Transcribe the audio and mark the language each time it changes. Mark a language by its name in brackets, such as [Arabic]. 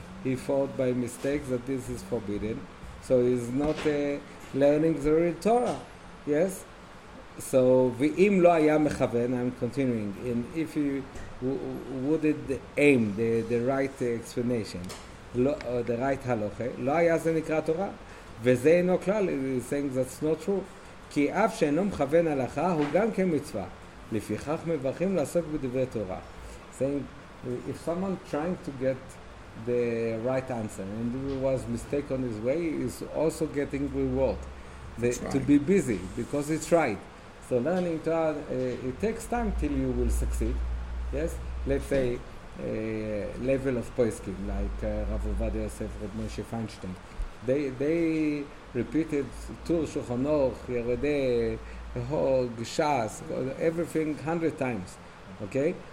[English] He thought by mistake that this is forbidden. So he's not learning the real Torah. Yes? So, [Hebrew] ואם לא היה מכוון, [English] I'm continuing, and if he wouldn't aim the right explanation, the right הלוכה, [Hebrew] לא היה זה נקרא תורה. וזה אינו כלל, [English] he's saying that's not true. [Hebrew] כי אף שאינו מכוון הלכה, הוא גם כמצווה. לפיכך מברכים לעסוק בדברי תורה. [English] Saying, if someone trying to get the right answer and if he was mistaken on his way, is also getting reward to be busy because it's right. So learning to add, it takes time till you will succeed. Yes, let's say a level of poiskim like Rav Ovadia Yosef, Rav Moshe Feinstein, they repeated Tur Shulchan Aruch, Yerodeh, Gshas, everything 100 times. Okay,